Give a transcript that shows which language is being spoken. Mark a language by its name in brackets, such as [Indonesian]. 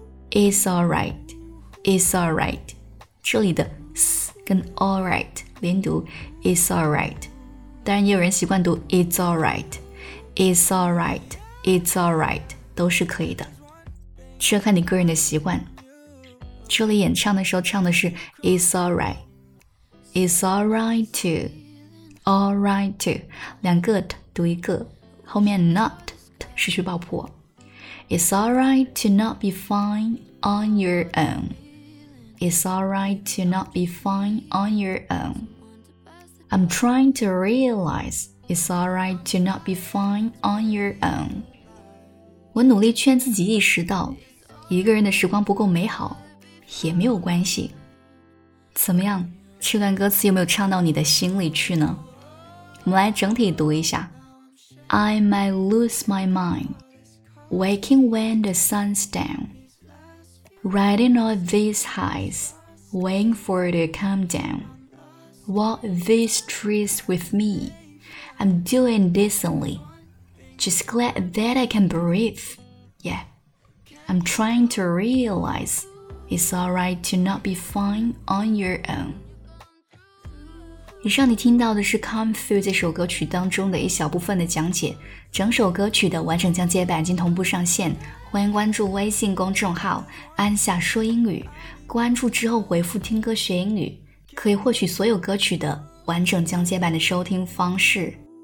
[English] It's alright, it's alright [Chinese] 这里的 s 跟 alright 连读 [English] It's alright [Chinese] 当然也有人习惯读 [English] It's alright, it's alright, it's alright [Chinese] 都是可以的这看你个人的习惯这里演唱的时候唱的是 [English] It's alright It's all right to, all right to. [Chinese] 两个 t 读一个，后面 not 失去爆破。 [English] It's all right to not be fine on your own. It's all right to not be fine on your own. I'm trying to realize it's all right to not be fine on your own. [Chinese] 我努力劝自己意识到，一个人的时光不够美好，也没有关系。怎么样？这段歌词有没有唱到你的心里去呢？我们来整体读一下。 [English] I might lose my mind, waking when the sun's down, riding on these highs, waiting for it to come down. Walk these streets with me, I'm doing decently, just glad that I can breathe. Yeah, I'm trying to realize it's alright to not be fine on your own. [Chinese] 以上你听到的是 Come Through 这首歌曲当中的一小部分的讲解，整首歌曲的完整讲解版已经同步上线，欢迎关注微信公众号安夏说英语，关注之后回复听歌学英语，可以获取所有歌曲的完整讲解版的收听方式。